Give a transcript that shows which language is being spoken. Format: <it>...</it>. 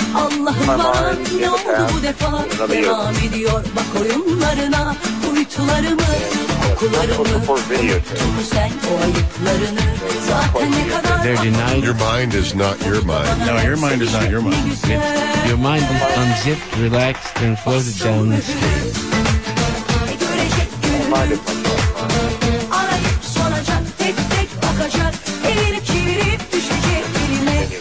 <tr>Allah'ım varan ne oldu bu defa? Devam ediyor bak oyunlarına. Uyutularımı, okularımı. Tutun sen o ayıplarını. Zaten ne kadar...</tr> <en>They're denied. Your mind is not your mind. No, your mind is not your mind. Your mind is unzipped, relaxed, and floated down the stairs.</en> <tr>Görecek gününü. Arayıp soracak, tek tek bakacak. Evirip çevirip düşecek elime.</tr>